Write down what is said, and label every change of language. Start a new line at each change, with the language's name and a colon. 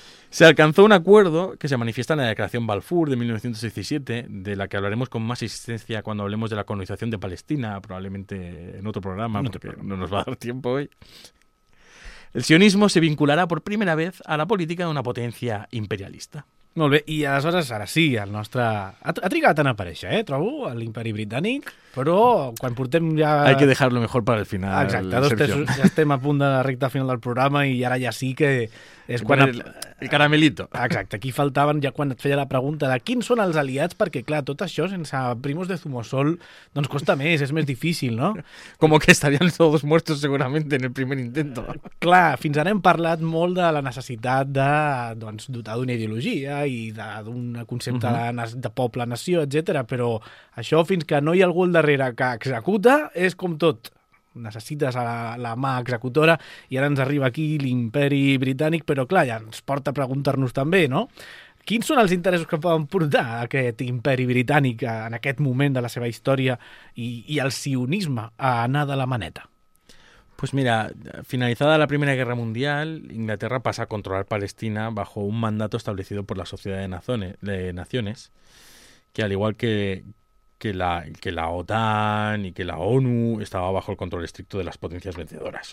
Spanish: Se alcanzó un acuerdo que se manifiesta en la Declaración Balfour de 1917, de la que hablaremos con más insistencia cuando hablemos de la colonización de Palestina, probablemente en otro programa, no nos va a dar tiempo hoy. El sionismo se vinculará por primera vez a la política de una potencia imperialista.
Catalan: Molt bé, i aleshores, ara sí, el nostre... Ha trigat a aparèixer, trobo, l'imperi britànic, però quan portem ja...
Spanish: Hay que dejarlo mejor para el final,
Catalan: Sergio. Exacte, dos tesos, ja estem a punt de la recta final del programa i ara ja sí que és quan...
Spanish: El caramelito.
Catalan: Exacte, aquí faltaven ja quan et feia la pregunta de quins són els aliats, perquè, clar, tot això sense Primos de Zumosol doncs costa més, és més difícil, no?
Spanish: Como que estarían todos muertos seguramente en el primer intento.
Catalan: Clar, fins ara hem parlat molt de la necessitat de, doncs, dotar d'una ideologia i d'un concepte de poble-nació, etc. Però això, fins que no hi ha algú al darrere que executa, és com tot. Necessites a la mà executora i ara ens arriba aquí l'imperi britànic, però clar, ja ens porta a preguntar-nos també, no? Quins són els interessos que poden portar aquest imperi britànic en aquest moment de la seva història i el sionisme a anar de la maneta?
Spanish: Pues mira, finalizada la Primera Guerra Mundial, Inglaterra pasa a controlar Palestina bajo un mandato establecido por la Sociedad de Naciones, que al igual que la OTAN y que la ONU estaba bajo el control estricto de las potencias vencedoras.